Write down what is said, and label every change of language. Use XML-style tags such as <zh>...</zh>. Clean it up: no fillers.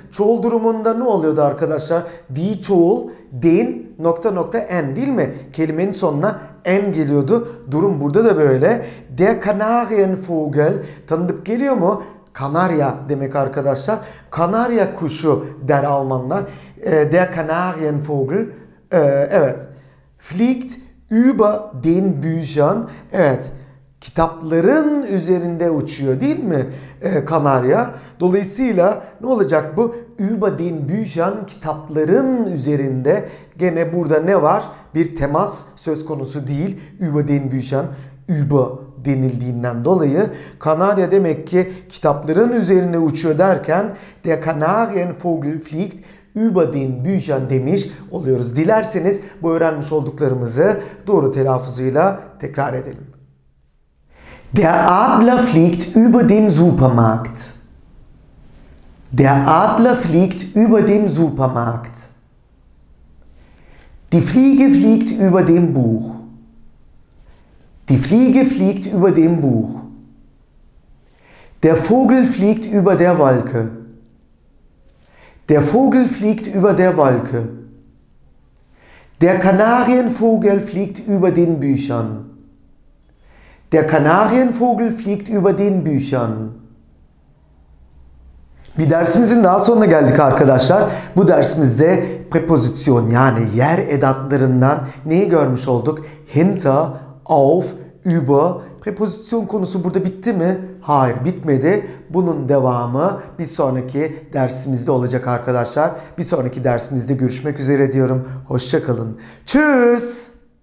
<tr>Çoğul durumunda ne oluyordu arkadaşlar? Die çoğul den nokta nokta en değil mi? Kelimenin sonuna en geliyordu. Durum burada da böyle. Der Kanarienvogel, tanıdık geliyor mu? Kanarya demek arkadaşlar. Kanarya kuşu der Almanlar.</tr> <de>Der Kanarienvogel,</de> <tr>evet.</tr> <de>Fliegt über den Büchern,</de> <tr>evet. Kitapların üzerinde uçuyor değil mi Kanarya? Dolayısıyla ne olacak bu?</tr> <de>Über den Büchern,</de> <tr>kitapların üzerinde. Gene burada ne var? Bir temas söz konusu değil.</tr> <de>Über den Büchern, über</de> <tr>denildiğinden dolayı. Kanarya demek ki kitapların üzerinde uçuyor derken</tr> <de>der Kanarienvogel fliegt über den Büchern</de> <tr>demiş oluyoruz. Dilerseniz bu öğrenmiş olduklarımızı doğru telaffuzuyla tekrar edelim.</tr> <de>Der Adler fliegt über dem Supermarkt. Der Adler fliegt über dem Supermarkt. Die Fliege fliegt über dem Buch. Die Fliege fliegt über dem Buch. Der Vogel fliegt über der Wolke. Der Vogel fliegt über der Wolke. Der Kanarienvogel fliegt über den Büchern. Der Kanarienvogel fliegt über den Büchern.</de> <tr>Bir dersimizin daha sonuna geldik arkadaşlar. Bu dersimizde preposition yani yer edatlarından neyi görmüş olduk?</tr> <de>Hinter, auf, über.</de> <tr>Preposition konusu burada bitti mi? Hayır, bitmedi. Bunun devamı bir sonraki dersimizde olacak arkadaşlar. Bir sonraki dersimizde görüşmek üzere diyorum. Hoşça kalın. Tschüss.</tr>